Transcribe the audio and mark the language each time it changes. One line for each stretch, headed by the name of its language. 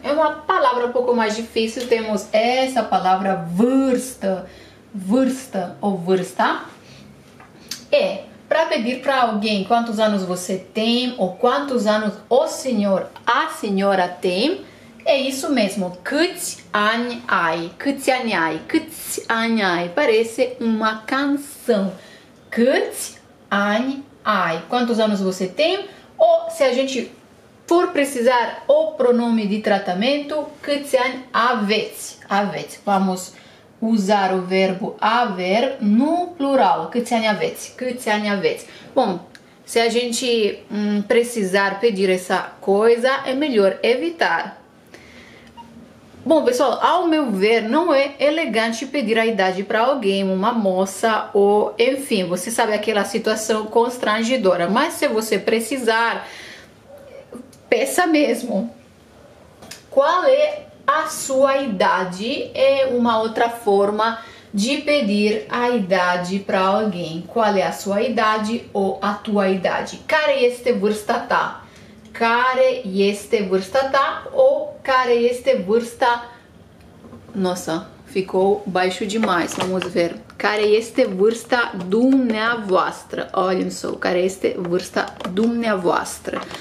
Portuguese: É uma palavra um pouco mais difícil, temos essa palavra vursta, vursta ou vursta. É, para pedir para alguém quantos anos você tem ou quantos anos o senhor, a senhora tem, é isso mesmo.
Romanian: Câți ani ai, câți ani ai, câți ani ai.
Portuguese: Parece uma canção.
Romanian: Câți ani ai,
Portuguese: quantos anos você tem? Ou se a gente for precisar o pronome de tratamento,
Romanian: câți ani aveți, aveți.
Portuguese: Vamos usar o verbo haver no plural.
Romanian: Câți ani aveți? Câți ani aveți?
Portuguese: Bom, se a gente precisar pedir essa coisa, é melhor evitar. Bom, pessoal, ao meu ver, não é elegante pedir a idade para alguém, uma moça ou, enfim, você sabe, aquela situação constrangedora. Mas se você precisar, peça mesmo. Qual é a sua idade? É uma outra forma de pedir a idade para alguém. Qual é a sua idade ou a tua idade?
Romanian: Care este vârsta ta? Care este vârsta ta? Ou care este vârsta...
Portuguese: Nossa, ficou baixo demais. Vamos ver.
Romanian: Care este vârsta dumneavoastră?
Portuguese: Olhem só.
Romanian: Care este vârsta dumneavoastră?